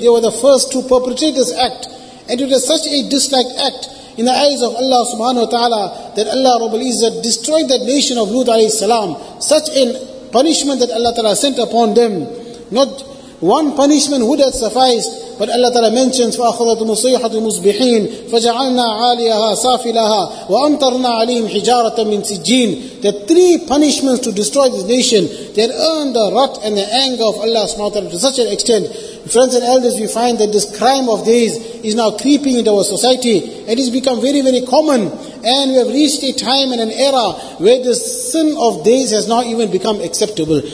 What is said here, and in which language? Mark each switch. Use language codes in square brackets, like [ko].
[en] They were the first to perpetrate this act. And it was such a disliked act in the eyes of Allah subhanahu wa ta'ala that Allah Rabbul Izzat destroyed that nation of Lut alayhi salam. Such a punishment that Allah ta'ala sent upon them. Not one punishment would have sufficed. But Allah Ta'ala mentions, [ar] فَأَخَذَتُمُ صَيْحَةُ الْمُصْبِحِينَ فَجَعَلْنَا عَالِيَهَا سَافِلَهَا وَأَمْطَرْنَا عَلَيْهِمْ حِجَارَةً مِّن سِجِّينَ. [en] There are three punishments to destroy this nation. They had earned the wrath and the anger of Allah subhanahu wa ta'ala to such an extent. Friends and elders, we find that this crime of days is now creeping into our society. It has become very, very common. And we have reached a time and an era where the sin of days has not even become acceptable.